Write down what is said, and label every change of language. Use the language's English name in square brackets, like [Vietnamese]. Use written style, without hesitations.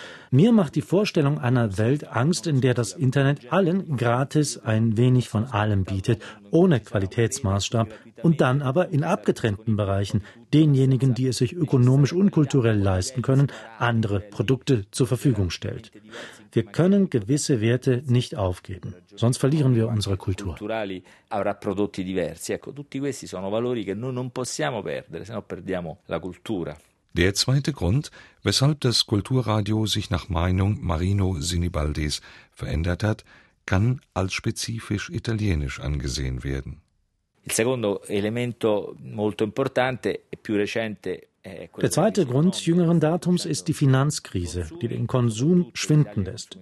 [German] Mir macht die Vorstellung einer Welt Angst, in der das Internet allen gratis ein wenig von allem bietet, ohne Qualitätsmaßstab, und dann aber in abgetrennten Bereichen denjenigen, die es sich ökonomisch und kulturell leisten können, andere Produkte zur Verfügung stellt. Wir können gewisse Werte nicht aufgeben, sonst verlieren wir unsere Kultur. [Italian] Avrà prodotti diversi. Ecco, tutti questi sono valori che noi non possiamo perdere, sennò perdiamo la cultura. [German] Der zweite Grund, weshalb das Kulturradio sich nach Meinung Marino Sinibaldis verändert hat, kann als spezifisch italienisch angesehen werden. Der zweite Grund jüngeren Datums ist die Finanzkrise, die den Konsum schwinden lässt.